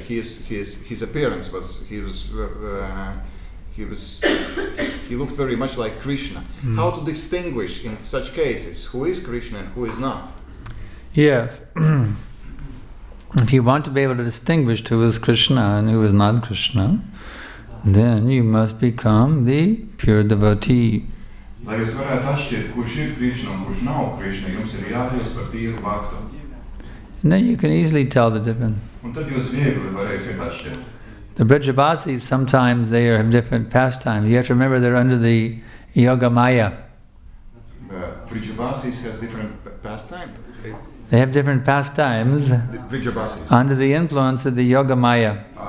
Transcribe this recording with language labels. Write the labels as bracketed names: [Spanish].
[English] His appearance was he looked very much like Krishna. Mm. How to distinguish in such cases who is Krishna and who is not? Yes, if you want to be able to distinguish who is Krishna and who is not Krishna, then you must become the pure devotee. [Latvian] Lai jūs varētu atšķirt, kurš ir Krišna un kurš nav Krišna, jums ir jākļūst par tīru bhaktu. [English] And then you can easily tell the difference. [Latvian] Un tad jūs viegli varēsiet atšķirt. [English] The Brijavasis, sometimes they have different pastimes. You have to remember they're under the yoga maya. Brijavasis has different pastimes? They have different pastimes under the influence of the yoga maya.